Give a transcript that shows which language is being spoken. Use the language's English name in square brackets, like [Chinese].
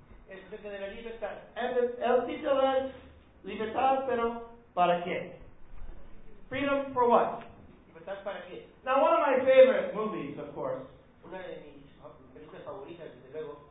[Spanish] Es acerca de la libertad. And el título es Libertad, pero ¿para qué? [English] Freedom for what? [Spanish] Libertad para qué. [English] Now one of my favorite movies, of course. [Spanish] Una de mis películas favoritas, desde luego.